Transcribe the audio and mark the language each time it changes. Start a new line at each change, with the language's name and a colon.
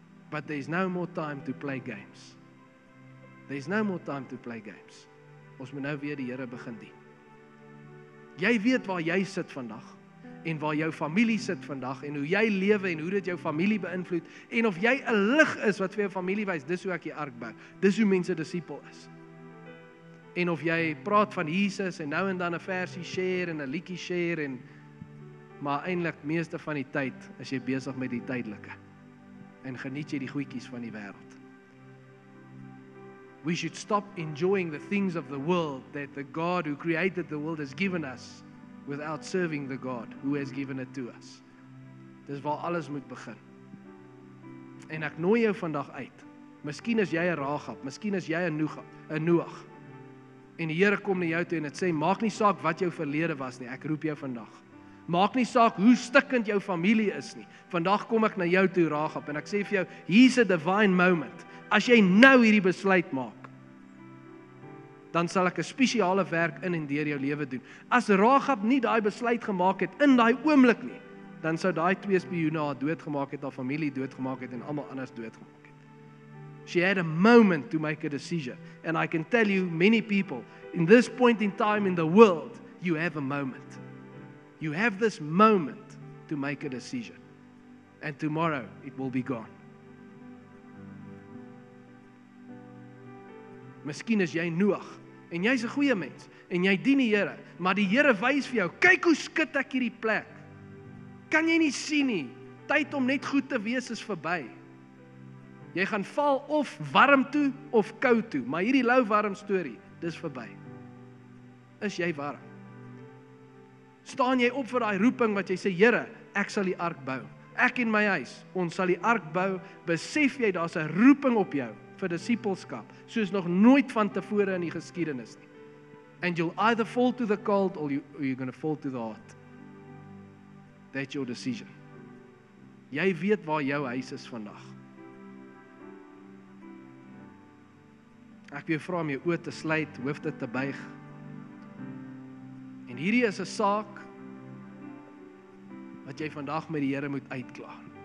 English: But there is no more time to play games. There is no more time to play games.
Afrikaans: Ons moet nou weer die Here begin dien. Jy weet waar jy sit vandag, en waar jou familie sit vandag, en hoe jy lewe, en hoe dit jou familie beïnvloed, en of jy 'n lig is wat vir jou familie wys, dis hoe ek die ark bou. Dis hoe mense disipel is. En of jy praat van Jesus en nou en dan 'n versie share en 'n liedjie share en maar eintlik meeste van die tyd is jy besig met die tydelike en geniet jy die goedjies van die wêreld.
English: We should stop enjoying the things of the world that the God who created the world has given us without serving the God who has given it to us.
Afrikaans: Dis waar alles moet begin. En ek nooi jou vandag uit. Miskien is jy 'n Ragab, miskien is jy 'n Noag. En die Here kom na jou toe en het sê, maak nie saak wat jou verlede was nie, ek roep jou vandag. Maak nie saak hoe stikkend jou familie is nie. Vandag kom ek na jou toe, Ragab, en ek sê vir jou,
English: here's a divine moment.
Afrikaans: As jy nou hierdie besluit maak, dan sal ek 'n spesiale werk in en deur jou lewe doen. As Ragab nie daai besluit gemaak het in daai oomblik nie, dan sou daai 2 spioene haar doodgemaak het, haar familie doodgemaak het en almal anders doodgemaak.
English: She had a moment to make a decision. And I can tell you, many people in this point in time in the world, you have a moment. You have this moment to make a decision. And tomorrow, it will be gone.
Afrikaans: Miskien is jy Noag, en jy is een goeie mens, en jy dien die Here, maar die Here wys vir jou, kyk hoe skud ek hierdie plek. Kan jy nie sien nie, tyd om net goed te wees is verby. Jy gaan val of warm toe, of koud toe, maar hierdie lou warm story, dis verby. Is jy warm? Staan jy op vir die roeping wat jy sê, Here, ek sal die ark bou. Ek en my huis, ons sal die ark bou, besef jy, daar is een roeping op jou, vir discipleskap, soos nog nooit van tevore in die geskiedenis nie.
English: And you'll either fall to the cold, or you're going to fall to the heart. That's your decision.
Afrikaans: Jy weet waar jou huis is vandag. Ek wil vra om jou oë te sluit, hoofde te buig. En hierdie is 'n saak, wat jy vandag met die Here moet uitklaar.